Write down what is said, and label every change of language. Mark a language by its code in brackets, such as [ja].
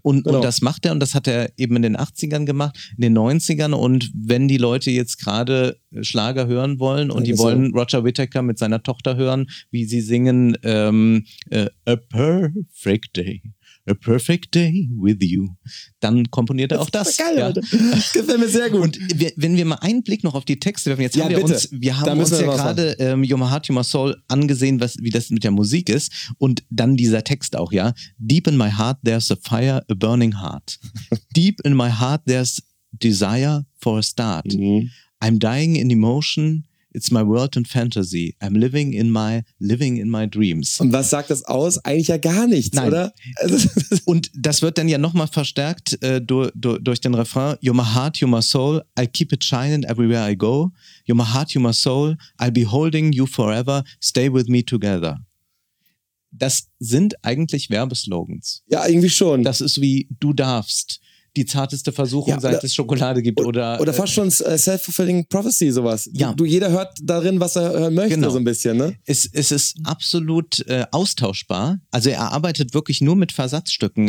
[de] Und das macht er und das hat er eben in den 80ern gemacht, in den 90ern und wenn die Leute jetzt gerade Schlager hören wollen und die wollen Roger Whittaker mit seiner Tochter hören, wie sie singen A Perfect Day with you. Dann komponiert er auch das. Das ist geil, Alter. Gefällt mir sehr gut. Und wenn wir mal einen Blick noch auf die Texte werfen, wir haben uns gerade Your My Heart, Your My Soul angesehen, wie das mit der Musik ist. Und dann dieser Text auch, ja. [en] Deep in my heart, there's a fire, a burning heart. Deep in my heart, there's desire for a start. Mhm. I'm dying in emotion. It's my world and fantasy. I'm living in my dreams. [de] Und was sagt das aus? Eigentlich ja gar nichts, nein, oder? Und das wird dann ja nochmal verstärkt durch den Refrain. [en] You're my heart, you're my soul. I'll keep it shining everywhere I go. You're my heart, you're my soul. I'll be holding you forever. Stay with me together. [de] Das sind eigentlich Werbeslogans. Ja, irgendwie schon. Das ist wie du darfst. die zarteste Versuchung, ja, seit es Schokolade gibt. Oder fast schon self-fulfilling prophecy, sowas. Ja. Jeder hört darin, was er hören möchte, genau. So ein bisschen. Ne? Es ist absolut austauschbar. Also er arbeitet wirklich nur mit Versatzstücken.